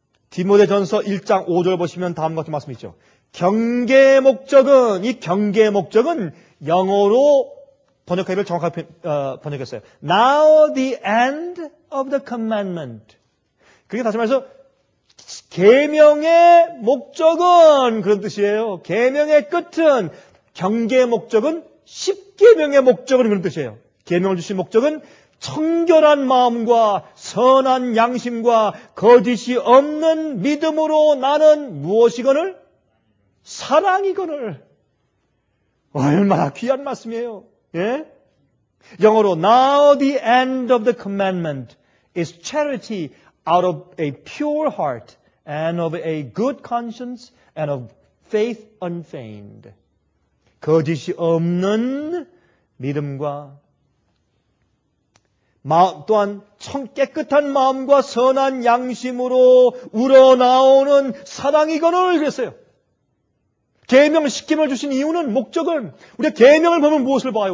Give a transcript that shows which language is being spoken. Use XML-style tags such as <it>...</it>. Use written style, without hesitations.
<ko>디모데전서 1장 5절 보시면 다음과 같은 말씀이 있죠. 경계의 목적은 이 경계의 목적은 영어로 번역하기를 정확하게 번역했어요.</ko> <en>Now the end of the commandment.</en> <ko>그게 다시 말해서 계명의 목적은 그런 뜻이에요. 계명의 끝은 경계의 목적은 십계명의 목적은 그런 뜻이에요. 계명을 주신 목적은 청결한 마음과 선한 양심과 거짓이 없는 믿음으로 나는 무엇이거늘? 사랑이거늘. 얼마나 귀한 말씀이에요. 예? 영어로</ko> <en>Now the end of the commandment is charity out of a pure heart and of a good conscience and of faith unfeigned.</en> <ko>거짓이 없는 믿음과 또한 깨끗한 마음과 선한 양심으로 우러나오는 사랑이거늘 그랬어요. 계명 시킴을 주신 이유는 목적은 우리가 계명을 보면 무엇을 봐요?</ko>